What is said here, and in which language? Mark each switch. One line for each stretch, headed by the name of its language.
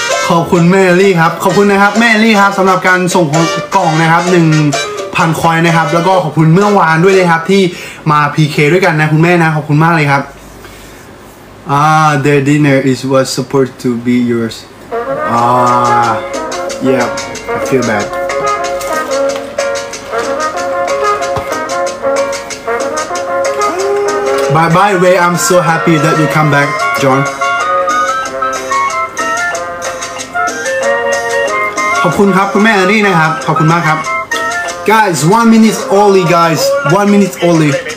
Thai: ขอบคุณแมรี่ครับขอบคุณนะครับแมรี่ครับสำหรับการส่งกล่องนะครับ 1,000 คอยนะครับแล้วก็ขอบคุณเมื่อวานด้วยเลยครับที่มา PK ด้วยกันนะคุณแม่นะขอบคุณมากเลยครับ
English: their dinner is was supposed to be yours yeah I feel bad by the way I'm so happy that you come back John
Thai: ขอบคุณครับคุณแม่อันนี้นะครับขอบคุณมากครับ
English: Guys 1 minute only guys 1 minute only